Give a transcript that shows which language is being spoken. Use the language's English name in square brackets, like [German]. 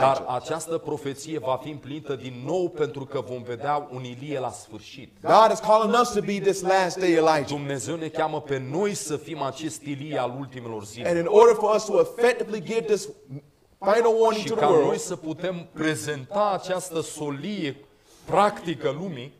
[Romanian] Dar această profeție va fi împlinită din nou pentru că vom vedea un Ilie la sfârșit. [English] God is calling us to be this last day Elijah. [Romanian] Dumnezeu ne cheamă pe noi să fim acest Ilie al ultimelor zile. [English] And in order for us to effectively give this final warning [Romanian] și [English] to the world, [Romanian] noi să putem prezenta această solie practică lumii,